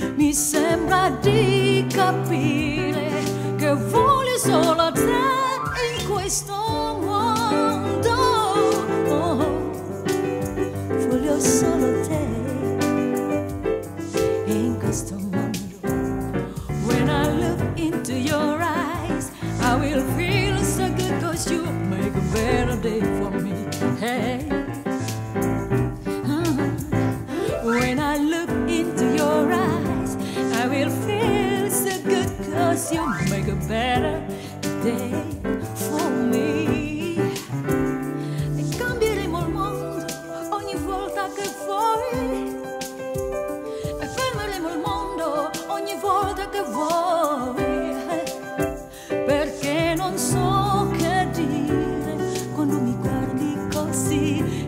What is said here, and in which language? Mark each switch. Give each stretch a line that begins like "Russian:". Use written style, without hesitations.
Italian: Mi sembra di capire che voglio solo te in questo mondo. Oh, voglio solo te in questo mondo.
English: When I look into your eyes, I will feel so good, 'cause you make a better day for me. Hey. When I look into your eyes, I will feel so good, 'cause you make a better day for me.
Italian: E cambieremo il mondo ogni volta che vuoi. E fermeremo il mondo ogni volta che vuoi. Perché non so che dire quando mi guardi così.